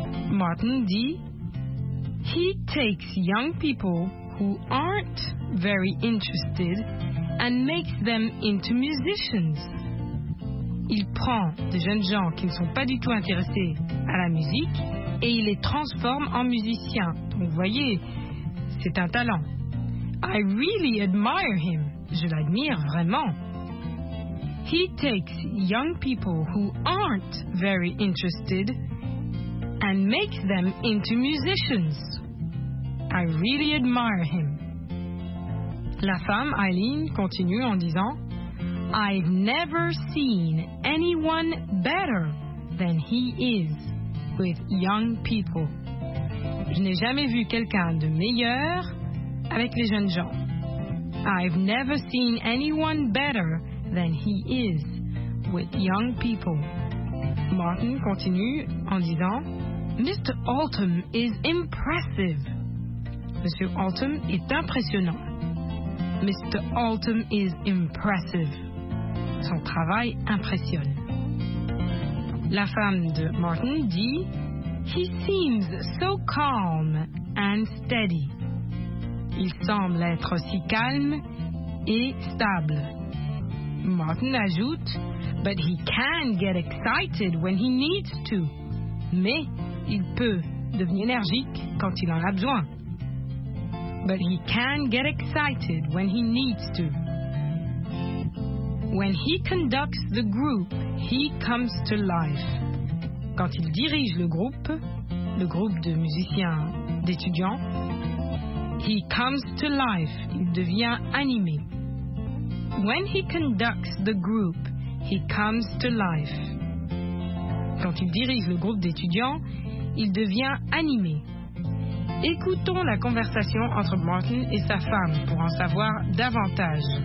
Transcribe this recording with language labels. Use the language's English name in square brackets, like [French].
[French] Martin dit « [English] He takes young people who aren't very interested and makes them into musicians. » [French] Il prend des jeunes gens qui ne sont pas du tout intéressés à la musique et il les transforme en musiciens. Donc vous voyez, c'est un talent. [English] I really admire him. [French] Je l'admire vraiment. [English] He takes young people who aren't very interested and makes them into musicians. I really admire him. [French] La femme, Eileen, continue en disant, [English] I've never seen anyone better than he is with young people. [French] Je n'ai jamais vu quelqu'un de meilleur avec les jeunes gens. [English] I've never seen anyone better than he is with young people. [French] Martin continue en disant, [English] Mr. Altman is impressive. [French] Monsieur Altman est impressionnant. Mr. [English] Altman is impressive. [French] Son travail impressionne. La femme de Martin dit, [English] He seems so calm and steady. [French] Il semble être si calme et stable. [English] Martin ajoute, But he can get excited when he needs to. [French] Mais il peut devenir énergique quand il en a besoin. [English] But he can get excited when he needs to. When he conducts the group, he comes to life. [French] Quand il dirige le groupe de musiciens, d'étudiants, [English] he comes to life, [French] il devient animé. [English] When he conducts the group, he comes to life. [French] Quand il dirige le groupe d'étudiants, il devient animé. Écoutons la conversation entre Martin et sa femme pour en savoir davantage.